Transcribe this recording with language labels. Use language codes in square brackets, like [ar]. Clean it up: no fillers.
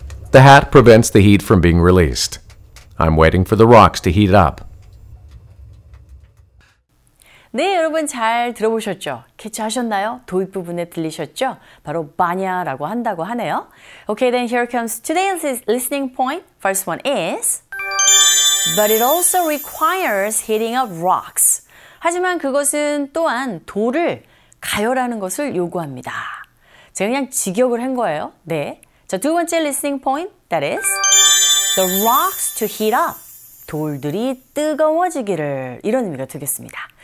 [en] The hat prevents the heat from being released. I'm waiting for the rocks to heat up. [ko] 네, 여러분 잘 들어보셨죠? 캐치하셨나요? 도입 부분에 들리셨죠? 바로 바냐라고 한다고 하네요. [en] Okay, then here comes today's listening point. First one is, but it also requires heating up rocks. [ko] 하지만 그것은 또한 돌을 가열하는 것을 요구합니다. 제가 그냥 직역을 한 거예요. 네. 자, 두 번째 [en] listening point. That is, the rocks to heat up. [ko] 돌들이 뜨거워지기를. 이런 의미가 되겠습니다.